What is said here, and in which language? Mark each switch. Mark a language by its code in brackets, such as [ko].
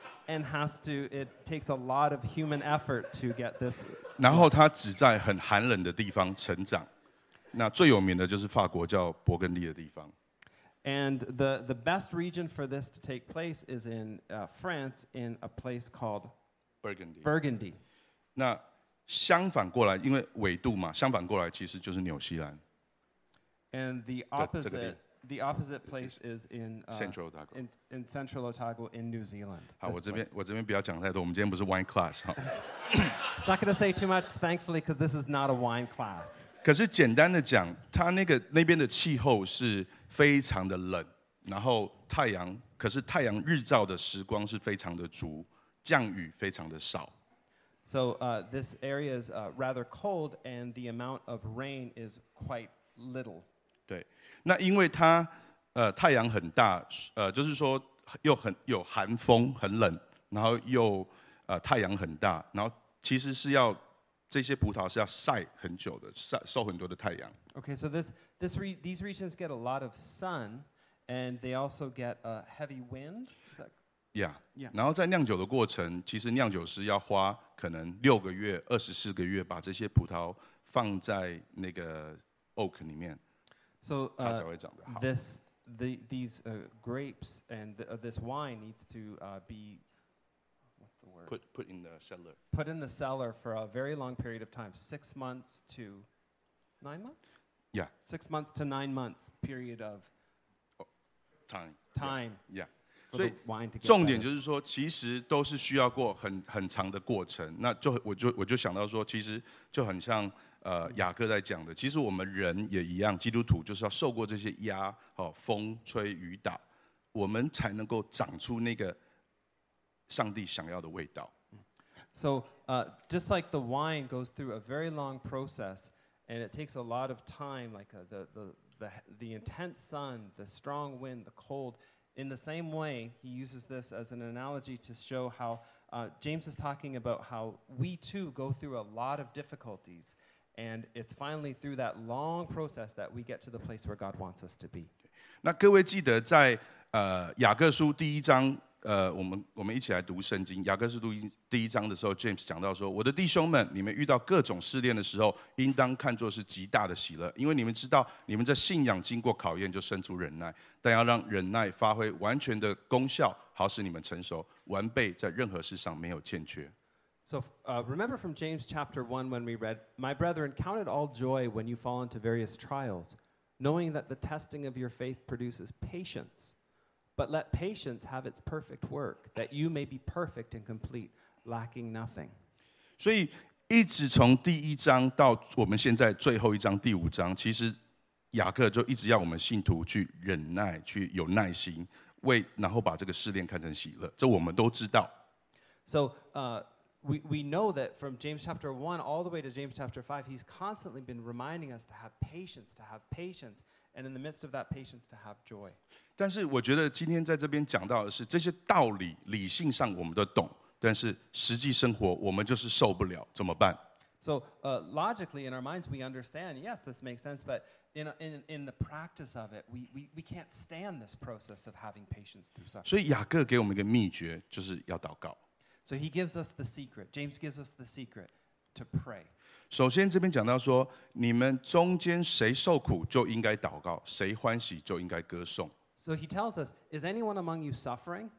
[en] And it takes a lot of human effort to get this. [zh] 然后它只在很寒冷的地方成长。那最有名的就是法国叫勃艮第的地方。 [en] And the best region for this to take place is in France, in a place called Burgundy. [zh] 那相反过来，因为纬度嘛，相反过来其实就是纽西兰。 [en] And the opposite place is in Central Otago. In Central Otago in New Zealand. [zh] 好，我这边不要讲太多。我们今天不是 [en] wine class [zh] 哈。 [en] It's not going to say too much, thankfully, because this is not a wine class. [zh] 可是简单的讲，它那边的气候是非常的冷，然后太阳日照的时光是非常的足，降雨非常的少。 [en] So this area is rather cold, and the amount of rain is quite little. [zh] 对。那因为它，太阳很大，就是说又很有寒风，很冷，然后又太阳很大，然后其实是要这些葡萄是要晒很久的，受很多的太阳。 [en] Okay, so these regions get a lot of sun, and they also get a heavy wind. Is that? Yeah. Yeah. [zh] 然后在酿酒的过程，其实酿酒师要花可能六个月、24个月，把这些葡萄放在那个 oak 里面。 [en] So this wine needs to be what's the word? Put in the cellar. Put in the cellar for a very long period of time, 6 months to 9 months. Yeah. 6 months to 9 months period of time. Yeah. For the wine to get better. [zh] 重点就是说，其实都是需要过很长的过程。那就我就想到说，其实就很像。雅各在讲的，其实我们人也一样，基督徒就是要受过这些压、风吹雨打，我们才能够长出那个上帝想要的味道。 [en] So, just like the wine goes through a very long process, and it takes a lot of time, like the intense sun, the strong wind, the cold. In the same way, he uses this as an analogy to show how James is talking about how we too go through a lot of difficulties, and it's finally through that long process that we get to the place where God wants us to be. [zh] 那各位记得在雅各书第一章。我们一起来读圣经雅各书第一章的时候 James 讲到说我的弟兄们你们遇到各种试炼的时候应当看作是极大的喜乐因为你们知道你们在信仰经过考验就生出忍耐但要让忍耐发挥完全的功效好使你们成熟完备在任何事上没有欠缺 [en] So remember from James chapter 1 when we read My brethren count it all joy when you fall into various trials knowing that the testing of your faith produces patienceBut let patience have its perfect work, that you may be perfect and complete, lacking nothing. [zh] 所以一直从第一章到我们现在最后一章第五章，其实雅各就一直要我们信徒去忍耐，去有耐心，为然后把这个试炼看成喜乐。这我们都知道。 [en] So, we know that from James chapter 1 all the way to James chapter 5, he's constantly been reminding us to have patience. And in the midst of that patience to have joy. [zh] 但是我觉得今天在这边讲到的是这些道理理性上我们都懂但是实际生活我们就是受不了怎么办 [en] So, logically in our minds we understand, yes, this makes sense, but in the practice of it, we can't stand this process of having patience through suffering. [zh] 所以雅各给我们一个秘诀就是要祷告 [en] So he gives us the secret, James gives us the secret to pray. [zh] 首先这边讲到说你们中间谁受苦就应该祷告谁欢喜就应该歌颂 [en] So he tells us Is anyone among you suffering?